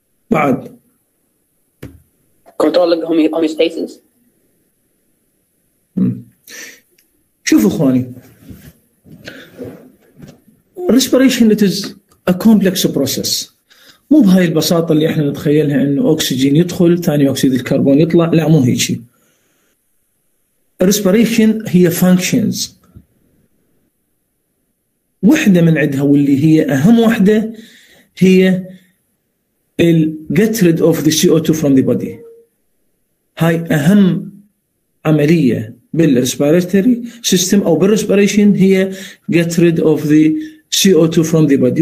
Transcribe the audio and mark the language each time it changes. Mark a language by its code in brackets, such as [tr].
[ar] بعد. [en] Controlling homeostasis. [ar] شوف اخواني. [en] Respiration it is a complex process. [ar] مو بهاي البساطة اللي احنا نتخيلها انه اكسجين يدخل ثاني اكسيد الكربون يطلع، لا مو هيك شيء. [en] Respiration [ar] هي [en] functions. [ar] وحدة من عندها واللي هي اهم وحدة هي ال [en] get rid of the CO2 from the body. [ar] هاي اهم عملية بالrespiratory system او بالrespiration هي [en] get rid of the CO2 from the body.